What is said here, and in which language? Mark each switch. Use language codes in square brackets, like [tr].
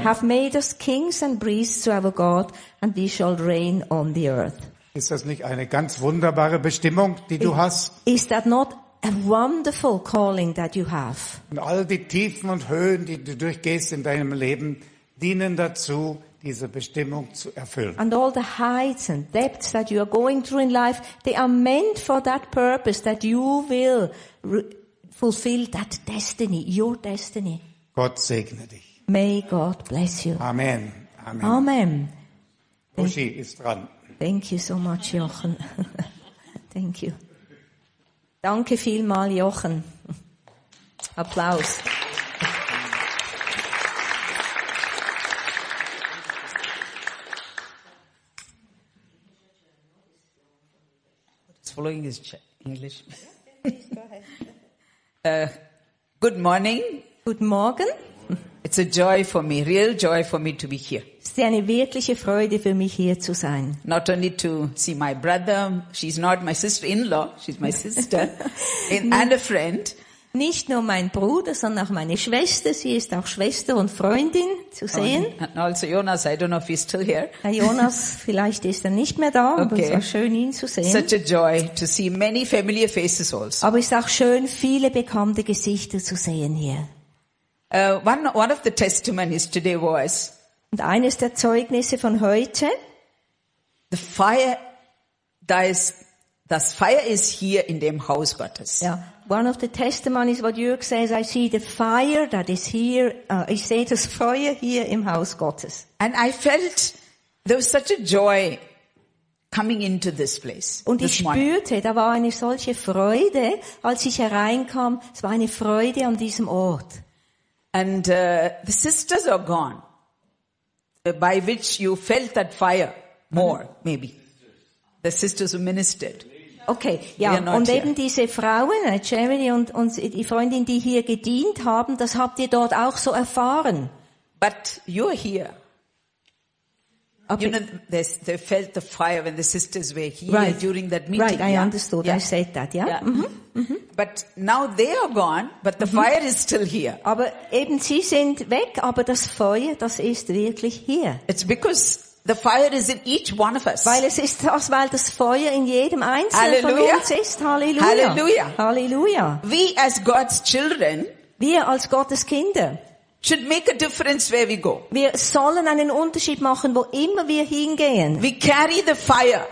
[en] Have made us kings and priests to our God, and we shall reign on the earth. [de] Ist das nicht eine ganz wunderbare Bestimmung, die du hast? [en] Is that not a wonderful calling that you have? [de] Und all die Tiefen und Höhen, die du durchgehst in deinem Leben, dienen dazu, diese Bestimmung zu erfüllen. [en] And all the heights and depths that you are going through in life, they are meant for that purpose, that you will fulfill that destiny, your destiny. [de] Gott segne dich. [en] May God bless you. Amen. Amen. Amen. [de] Uschi ist dran. [en] Thank you so much, Jochen. Thank you. [de] Danke vielmal, Jochen. Applaus. [en] What's following is English. Good morning. [de] Guten Morgen. [en] It's a joy for me, real joy for me to be here. [de] Es ist eine wirkliche Freude für mich, hier zu sein. [en] Not only to see my brother, she's not my sister-in-law, she's my sister and a friend. [de] Nicht nur mein Bruder, sondern auch meine Schwester, sie ist auch Schwester und Freundin zu sehen. [en] And also Jonas, I don't know if he's still here. [de] Jonas, vielleicht ist er nicht mehr da, okay. Aber es war schön, ihn zu sehen. [en] Such a joy to see many familiar faces also. [de] Aber es ist auch schön, viele bekannte Gesichter zu sehen hier. [en] One of the testimonies today was, [de] und eines der Zeugnisse von heute, [en] the fire, [de] das Feuer ist hier in dem Haus Gottes. [en] Ja, one of the testimonies what Jörg says, I see the fire that is here, [de] ich sehe das Feuer hier im Haus Gottes. [en] And I felt there was such a joy coming into this place. [de] Und ich spürte, da war eine solche Freude, als ich hereinkam, es war eine Freude an diesem Ort. [en] And the sisters are gone, by which you felt that fire more, maybe. The sisters who ministered. [de] Okay, ja, und eben diese Frauen, Jeremy und die Freundin, die hier gedient haben, das habt ihr dort auch so erfahren. [en] But you're here. Okay. You know, they felt the fire when the sisters were here, right, during that meeting. Right, I understood. Yeah. I said that, yeah. Yeah. Mm-hmm. Mm-hmm. But now they are gone, but the fire is still here. [de] Aber eben sie sind weg, aber das Feuer, das ist wirklich hier. [en] It's because the fire is in each one of us. [de] Weil es ist das, weil das Feuer in jedem Einzelnen Halleluja. Von uns ist. Halleluja. Halleluja. Halleluja. [en] We as God's children. [de] Wir als Gottes Kinder. [en] Should make a difference where we go. [de] Wir sollen einen Unterschied machen, wo immer wir hingehen. [en] We carry the fire.